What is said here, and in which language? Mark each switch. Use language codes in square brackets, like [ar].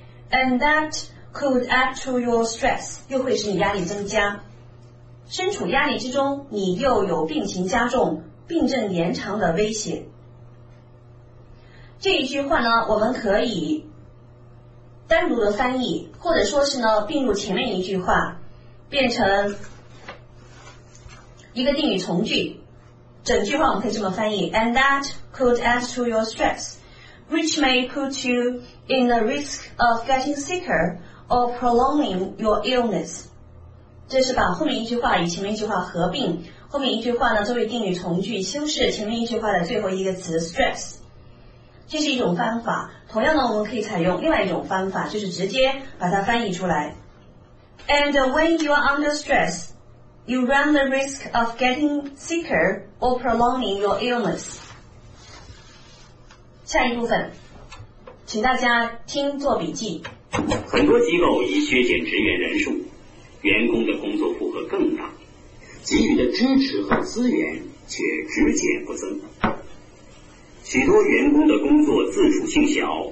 [en] and that could add to your stress， [zh] 又会使你压力增加，身处压力之中，你又有病情加重、病症延长的危险。这一句话呢，我们可以单独的翻译，或者说是呢并入前面一句话，变成一个定语从句。整句话我们可以这么翻译， [en] and that could add to your stress which may put you in the risk of getting sicker or prolonging your illness。 [zh] 这是把后面一句话与前面一句话合并，后面一句话呢作为定语从句修饰前面一句话的最后一个词 stress。这是一种方法，同样呢我们可以采用另外一种方法，就是直接把它翻译出来。 [en] And when you are under stress, you run the risk of getting sicker or prolonging your illness. [zh] 下一部分，请大家听做笔记。很多机构已削减职员人数，员工的工作负荷更大，给予的支持和资源却只减不增。许多员工的工作自主性小，